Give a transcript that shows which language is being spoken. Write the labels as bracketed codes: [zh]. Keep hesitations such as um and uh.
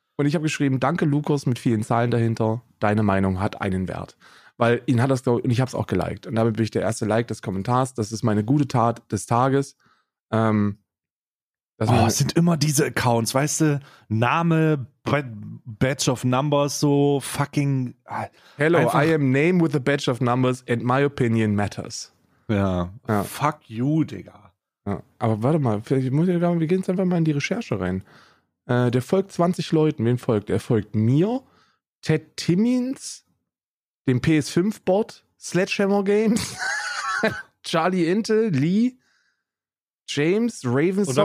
[de] Und ich habe geschrieben, danke Lukas mit vielen Zahlen dahinter, deine Meinung hat einen Wert. Weil ihn hat das, und ich habe es auch geliked. Und damit bin ich der erste Like des Kommentars. Das ist meine gute Tat des Tages. Ähm, es oh, sind ich. immer diese Accounts, weißt du? [en] Name, batch of Numbers, so fucking. Hello, I am name with a batch of numbers and my opinion matters. [de] Ja. ja. Fuck you, Digga. Ja. Aber warte mal, vielleicht muss ich, wir gehen jetzt einfach mal in die Recherche rein. Äh, der folgt 20 Leuten. Wen folgt? Er folgt mir, Ted Timmins, dem PS5-Bot, Sledgehammer Games, Charlie Intel, Lee, James Raven und dann Software.